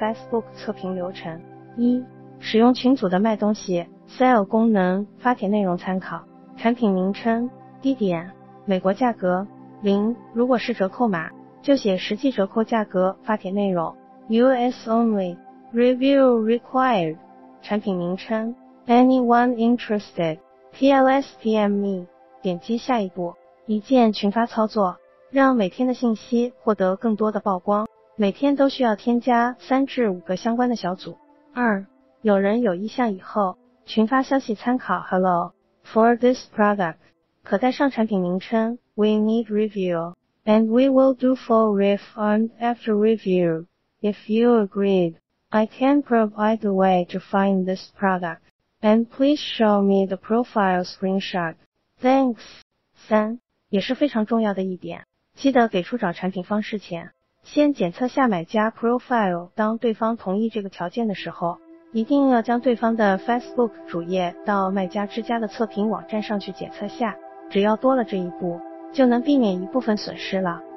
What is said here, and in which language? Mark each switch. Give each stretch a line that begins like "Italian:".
Chinese: Facebook 测评流程一，使用群组的卖东西 Sell 功能，发帖内容参考，产品名称，地点，美国价格零，如果是折扣码就写实际折扣价格，发帖内容
English: US only review required，
Chinese: 产品名称
English: anyone interested PLS PME，
Chinese: 点击下一步，一键群发操作，让每天的信息获得更多的曝光，每天都需要添加3-5个相关的小组。二，有人有意向以后群发消息参考
English: Hello for this product，
Chinese: 可带上产品名称
English: We need reviewAnd we will do full ref on after review. If you agreed, I can provide the way to find this product. And please show me the profile screenshot. Thanks.
Chinese: 三，也是非常重要的一点，记得给出找产品方式前，先检测下买家 profile， 当对方同意这个条件的时候，一定要将对方的 Facebook 主页到卖家之家的测评网站上去检测下，只要多了这一步就能避免一部分损失了。